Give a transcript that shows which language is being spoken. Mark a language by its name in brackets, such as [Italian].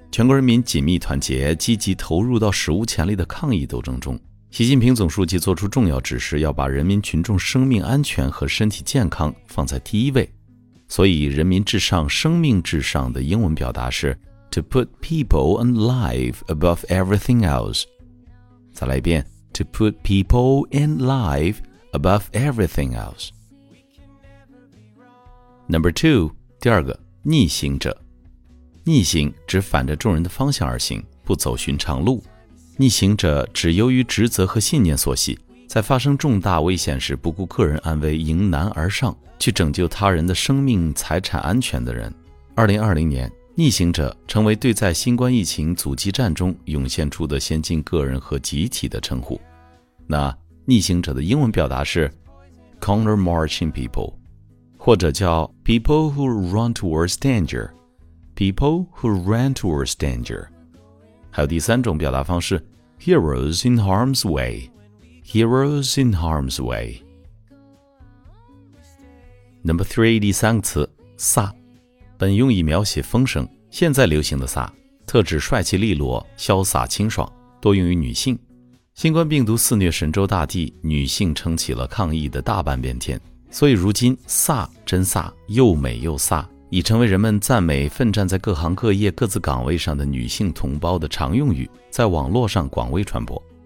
[Chinese] 全国人民紧密团结，积极投入到史无前例的抗疫斗争中。习近平总书记作出重要指示，要把人民群众生命安全和身体健康放在第一位。所以，人民至上，生命至上的英文表达是 [English] To put people and life above everything else。 [Chinese] 再来一遍。 [English] To put people and life above everything else. Number two, [Chinese] 第二个，逆行者。逆行指反着众人的方向而行，不走寻常路。逆行者指由于职责和信念所系，在发生重大危险时不顾个人安危，迎难而上，去拯救他人的生命财产安全的人。 2020年，逆行者成为对在新冠疫情阻击战中涌现出的先进个人和集体的称呼。那逆行者的英文表达是 [English] Counter Marching People, [Chinese] 或者叫 [English] People who run towards danger, People who ran towards danger。 [Chinese] 还有第三种表达方式 [English] Heroes in harm's way, Heroes in harm's way。 Number three, [Chinese] 第三个词，飒，本用以描写风声，现在流行的飒特指帅气利落，潇洒清爽，多用于女性。新冠病毒肆虐神州大地，女性撑起了抗疫的大半边天，所以如今飒真飒，又美又飒，已成为人们赞美奋战在各行各业各自岗位上的女性同胞的常用语，在网络上广为传播。